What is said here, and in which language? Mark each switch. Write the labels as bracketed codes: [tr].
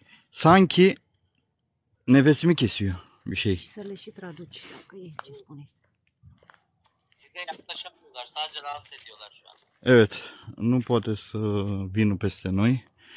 [tr] Sanki nefesimi kesiyor bir şey. [ro] Să le și traduci, dacă e ce spune. [tr] Sizi yaklaşamıyorlar, sadece rahatsız ediyorlar şu an. Evet, [ro] nu poate să vină peste noi.